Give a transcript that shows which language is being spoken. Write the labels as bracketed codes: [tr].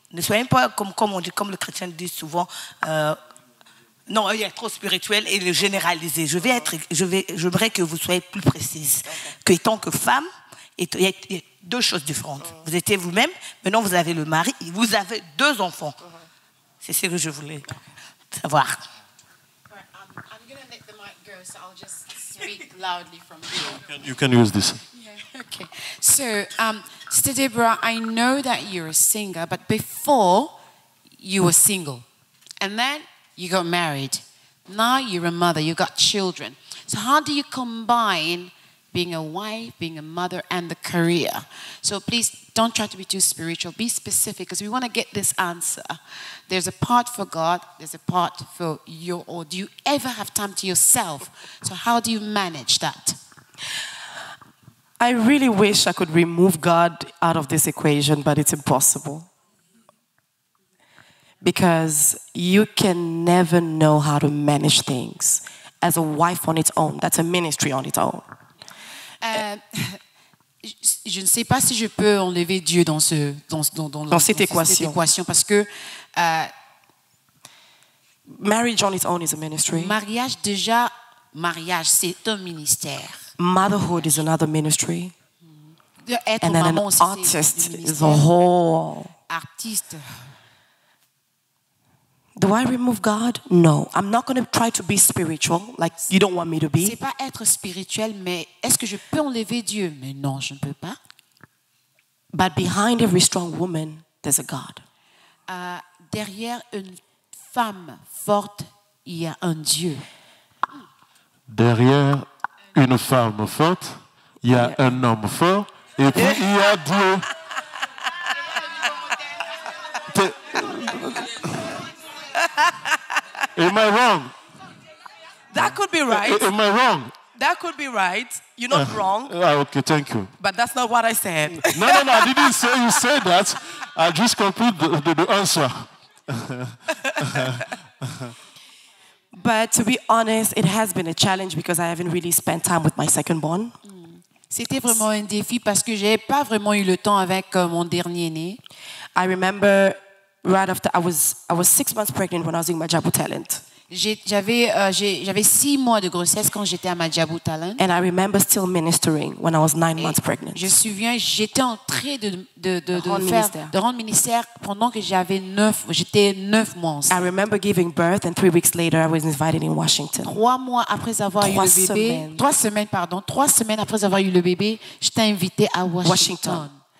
[fr] Ne soyez pas comme on dit, comme le chrétien dit souvent... Non, il y a trop spirituel et le généraliser. J'aimerais que vous soyez plus précise. Que tant que femme, il y a deux choses différentes. Vous étiez vous-même, maintenant vous avez le mari, et vous avez deux enfants. C'est ce que je voulais savoir. [en] I'm going to let the mic go, so I'll just speak loudly from here. You can use this. Yeah, okay. So, Sister Deborah, I know that you're a singer, but before you were single. And then... You got married. Now you're a mother. You got children. So how do you combine being a wife, being a mother, and the career? So please don't try to be too spiritual. Be specific because we want to get this answer. There's a part for God. There's a part for you. Or do you ever have time to yourself? So how do you manage that? I really wish I could remove God out of this equation, but it's impossible. Because you can never know how to manage things as a wife on its own. That's a ministry on its own. [fr] Je ne sais pas si je peux enlever Dieu dans ce dans cette équation. Cette équation parce que [en] marriage on its own is a ministry. [fr] Mariage déjà, mariage c'est un ministère. [en] Motherhood is another ministry. [fr] Être maman aussi, c'est un ministère. [en] Is a whole. [fr] Artiste. [en] Do I remove God? No. I'm not going to try to be spiritual, like you don't want me to be. [fr] C'est pas être spirituel, mais est-ce que je peux enlever Dieu? Mais non, je ne peux pas. [en] But behind every strong woman, there's a God. [fr] Derrière une femme forte, il y a un Dieu. Derrière une femme forte, il y a un homme fort, et puis il y a Dieu. [en] Am I wrong? That could be right. Am I wrong? That could be right. You're not wrong. Okay, thank you. But that's not what I said. No, I didn't say you said that. I just complete the answer. But to be honest, it has been a challenge because I haven't really spent time with my second born. [fr] C'était vraiment un défi parce que j'ai pas vraiment eu le temps avec mon dernier né. [en] I remember... Right after I was 6 months pregnant when I was doing my Jabu Talent. [fr] J'avais 6 mois de grossesse quand j'étais à ma Jabu Talent. [en] And I remember still ministering when I was 9 months pregnant. [fr] Je me souviens, j'étais en train de rendre ministère pendant que j'étais 9 mois. [en] I remember giving birth and 3 weeks later I was invited in Washington. [fr] 3 mois après avoir eu le bébé. Trois semaines après avoir eu le bébé, j'étais invitée à Washington.